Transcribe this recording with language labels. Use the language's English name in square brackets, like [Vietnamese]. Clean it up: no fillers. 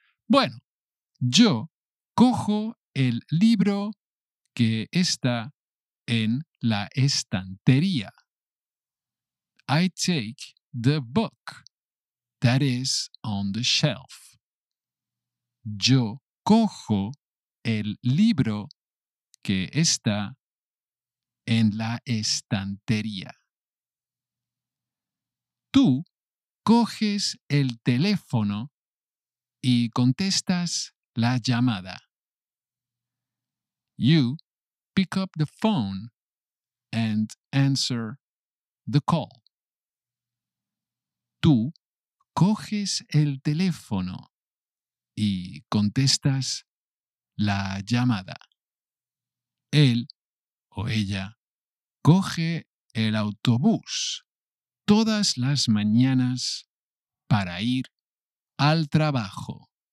[Spanish] Bueno, yo cojo el libro que está en la estantería. [English] I take the book that is on the shelf. [Spanish] Yo cojo el libro que está en la estantería. Tú coges el teléfono y contestas la llamada. [English] You pick up the phone and answer the call. [Spanish] Tú coges el teléfono y contestas la llamada. Él o ella coge el autobús todas las mañanas para ir al trabajo.